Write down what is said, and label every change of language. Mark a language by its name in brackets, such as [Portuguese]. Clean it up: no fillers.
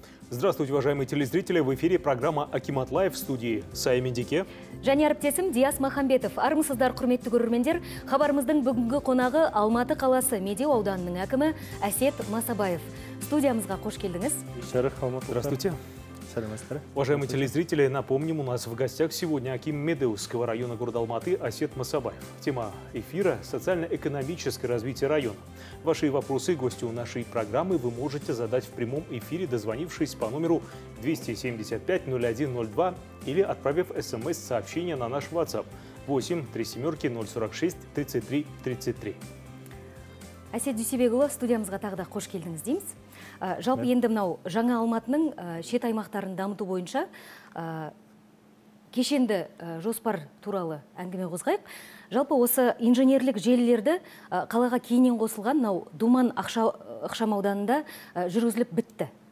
[Russian] Здравствуйте, уважаемые телезрители. В эфире программа «Акимат Лайв» в студии Сая Мендике. [Kazakh] Және әріптесім Диас Махамбетов. Армысыздар, құрметті көрермендер. Хабарымыздың бүгінгі қонағы Алматы қаласы Медеу ауданының әкімі Әсет Масабаев. Студиямызға қош келдіңіз. [Russian] Здравствуйте. Уважаемые телезрители, напомним, у нас в гостях сегодня аким Медеусского района города Алматы Әсет Масабаев. Тема эфира – социально-экономическое развитие района. Ваши вопросы гостю нашей программы вы можете задать в прямом эфире, дозвонившись по номеру 275-0102 или отправив смс-сообщение на наш WhatsApp 837-046-3333. [Kazakh] Әсет Дүйсебекұлы, студиямызға тағы да қош келдіңіз дейміз. Жалпы енді мынау жаңа Алматының шет аймақтарын дамыту бойынша кешенді жоспар туралы әңгіме қозғайық. Жалпы осы инженерлік желілерді қалаға кейінен қосылған мынау Думан ықшамауданында жүргізіліп бітті.